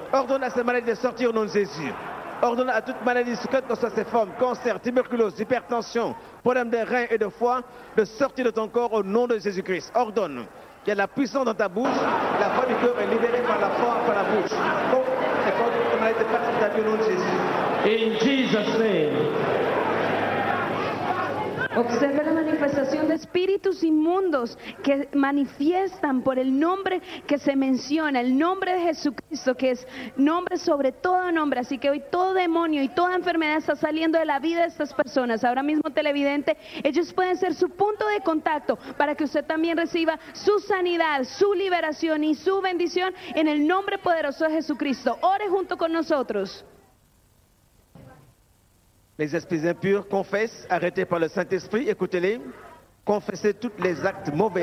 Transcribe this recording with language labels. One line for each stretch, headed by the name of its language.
French: Ordonne à ces maladies de sortir au nom de Jésus. Ordonne à toute maladie, sous quelle que soit ses formes, cancer, tuberculose, hypertension, problème de reins et de foie, de sortir de ton corps au nom de Jésus-Christ. Ordonne qu'il y ait la puissance dans ta bouche, la foi du cœur est libérée par la foi, par la bouche. Donc, c'est quand toute maladie est partie de ta vie au nom de Jésus.
English: In Jesus' name.
Spanish: Observe la manifestación de espíritus inmundos que manifiestan por el nombre que se menciona, el nombre de Jesucristo, que es nombre sobre todo nombre. Así que hoy todo demonio y toda enfermedad está saliendo de la vida de estas personas. Ahora mismo, televidente, ellos pueden ser su punto de contacto para que usted también reciba su sanidad, su liberación y su bendición en el nombre poderoso de Jesucristo. Ore junto con nosotros.
French: Les esprits impurs confessent, arrêtés par le Saint-Esprit, écoutez-les, confessez tous les actes mauvais.